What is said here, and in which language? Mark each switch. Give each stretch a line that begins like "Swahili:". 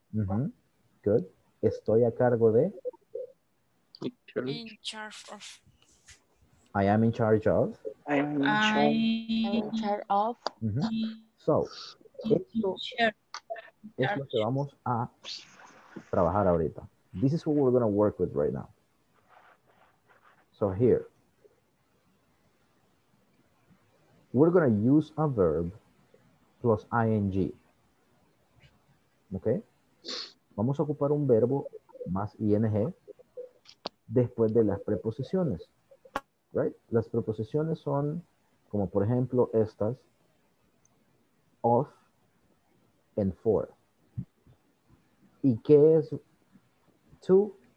Spanish: Mm-hmm. Good. Estoy a cargo de.
English: In charge of. I am in charge of. I am in charge of. Mm-hmm.
Spanish: So, esto es lo que vamos a trabajar ahorita.
English: This is what we're going to work with right now. So here. We're going to use a verb plus ing. Okay.
Spanish: Vamos a ocupar un verbo más ing después de las preposiciones. Right? Las preposiciones son como por ejemplo estas.
English: Of and for.
Spanish: ¿Y qué es to?